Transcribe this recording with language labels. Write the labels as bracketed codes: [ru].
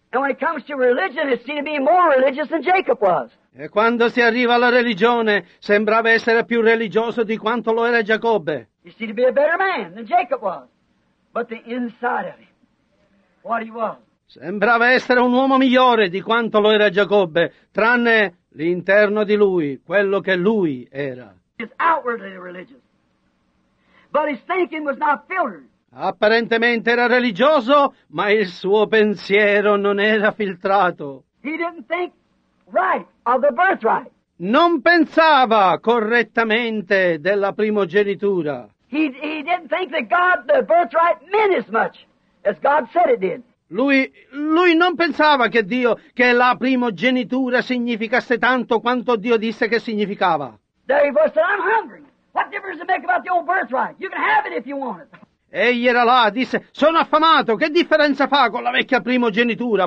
[en] And when it comes to religion, it seemed to be more religious than Jacob was. [it] E quando si arriva alla religione, sembrava essere più religioso di quanto lo era Giacobbe. [en] He seemed to be a better man than Jacob was. But the inside of him, what he was. [it] Sembrava essere un uomo migliore di quanto lo era Giacobbe, tranne l'interno di lui, quello che lui era. [en] He's outwardly religious. But his thinking was not filtered. [it] Apparentemente era religioso, ma il suo pensiero non era filtrato. [en] He didn't think right of the birthright. [it] Non pensava correttamente della primogenitura. [en] He didn't think that God, the birthright, meant as much as God said it did. [it] Lui non pensava che Dio, che la primogenitura significasse tanto quanto Dio disse che significava. [en] There he said, I'm hungry. What difference does it make about the old birthright? You can have it if you want it. [it] Egli era là, disse, sono affamato, che differenza fa con la vecchia primogenitura?